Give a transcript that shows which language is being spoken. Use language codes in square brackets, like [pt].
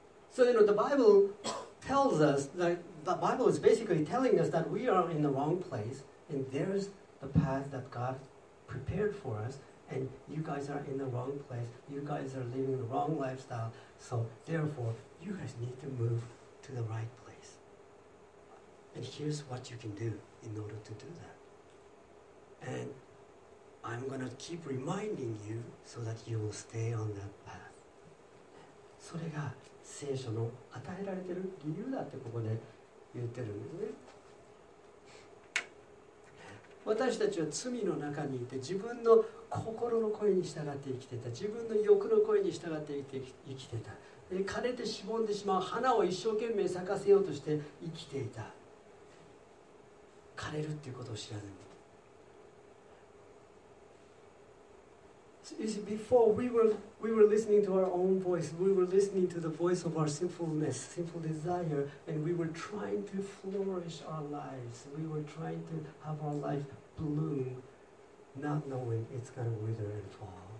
[en] So, you know, the Bible tells us, that the Bible is basically telling us that we are in the wrong place, and there's the path that God prepared for us, and you guys are in the wrong place, you guys are living the wrong lifestyle, so therefore, you guys need to move to the right place. And here's what you can do in order to do that. And I'm going to keep reminding you so that you will stay on that path. [ja] それが聖書の与えられている理由だってここで言ってるんですね。私たちは罪の中にいて、自分の心の声に従って生きてた、自分の欲の声に従って生きてた、で枯れてしぼんでしまう花を一生懸命咲かせようとして生きていた、枯れるっていうことを知らずに。 [en] You see, before we were listening to our own voice, we were listening to the voice of our sinfulness, sinful desire, and we were trying to flourish our lives. We were trying to have our life bloom, not knowing it's going to wither and fall.